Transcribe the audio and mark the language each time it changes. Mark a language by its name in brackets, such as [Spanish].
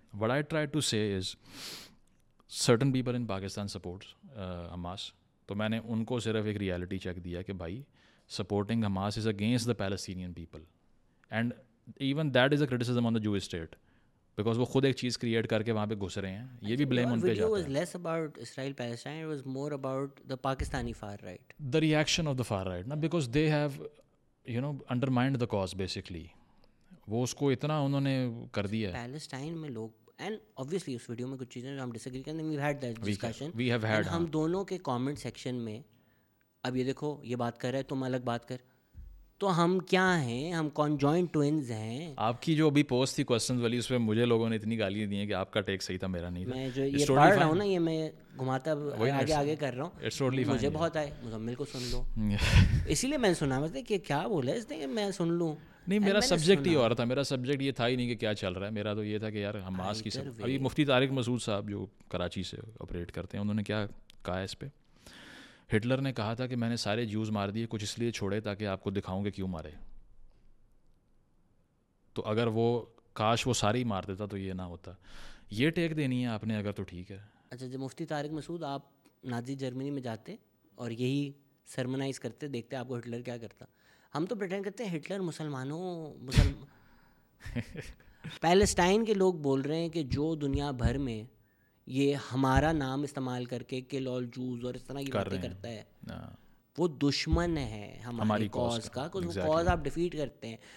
[English] what I try to say is certain people in Pakistan support Hamas [Hindi] तो मैंने उनको सिर्फ एक रियलिटी चेक दिया कि भाई [English] supporting Hamas is against the Palestinian people and Even that is a criticism on the Jewish state because [Hindi] वो खुद एक चीज़ क्रिएट करके वहाँ पे घुस रहे हैं. ये भी ब्लेम उन पे जाता है. [English] Was less about Israel Palestine, it was more about the Pakistani far right. The reaction of the far right, ना because they have, you know, undermined the cause basically. [Hindi] वो उसको इतना उन्होंने कर दिया. Palestine में लोग [English] and obviously [Hindi] उस वीडियो में कुछ चीजें जो हम disagree करते हैं, [English] we've had that discussion. We have had. [Hindi] And हम दोनों के comment section में अब ये देखो ये बात कर रहा है तुम अलग बात कर. तो हम क्या हैं हम कॉन्जॉइंट ट्विन्स हैं. आपकी जो अभी पोस्ट थी क्वेश्चंस वाली उस पर मुझे लोगों ने इतनी गालियां दी हैं कि आपका टेक सही था मेरा नहीं था. मैं जो ये पढ़ रहा हूँ ना ये मैं घुमाता आगे आगे कर रहा हूँ. [English] it's totally fine [Hindi] मुझे बहुत आए. मुजम्मिल को सुन लो इसीलिए मैं सुना मतलब कि क्या बोला इसने मैं सुन लूँ. नहीं मेरा सब्जेक्ट ही और था. मेरा सब्जेक्ट ये था ही नहीं कि क्या चल रहा है. मेरा तो ये था कि यार हमास की अभी मुफ्ती तारिक मसूद साहब जो कराची से ऑपरेट करते हैं उन्होंने क्या कहा इस पर. हिटलर ने कहा था कि मैंने सारे ज्यूज मार दिए कुछ इसलिए छोड़े ताकि आपको दिखाऊं कि क्यों मारे. तो अगर वो काश वो सारे ही मार देता तो ये ना होता. ये टेक देनी है आपने अगर तो ठीक है. अच्छा जब मुफ्ती तारिक मसूद आप नाजी जर्मनी में जाते और यही सरमनाइज करते देखते आपको हिटलर क्या करता. हम तो प्रिटेंड करते हैं हिटलर मुसलमानों पैलेस्टाइन के लोग बोल रहे हैं कि जो दुनिया भर में ये हमारा नाम इस्तेमाल करके [English] kill all Jews [Hindi] और इस तरह की बातें करता है वो दुश्मन है हमारी कॉज का. Cause exactly. आप डिफीट करते हैं.